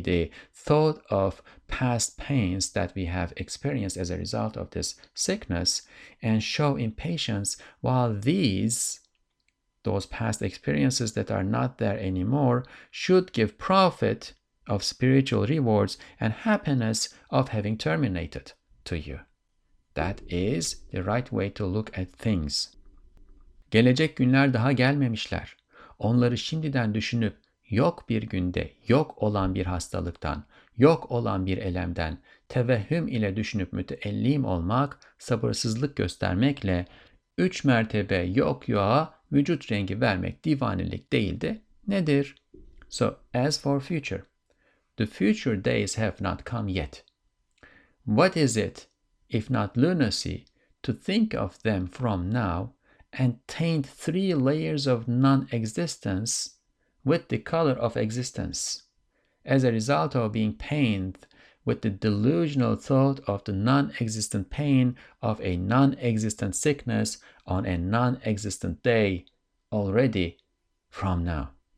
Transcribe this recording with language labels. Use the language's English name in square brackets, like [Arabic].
[English] the thought of past pains that we have experienced as a result of this sickness, and show impatience while those past experiences that are not there anymore, should give profit of spiritual rewards and happiness of having terminated. to you. That is the right way to look at things. [Turkish] Gelecek günler daha gelmemişler. Onları şimdiden düşünüp yok bir günde, yok olan bir hastalıktan, yok olan bir elemden, tevehhüm ile düşünüp müteellim olmak, sabırsızlık göstermekle üç mertebe yok yoğa vücut rengi vermek divanilik değildi, nedir? [English] So, as for future, the future days have not come yet. What is it, if not lunacy, to think of them from now and taint three layers of non-existence with the color of existence, as a result of being pained with the delusional thought of the non-existent pain of a non-existent sickness on a non-existent day already from now?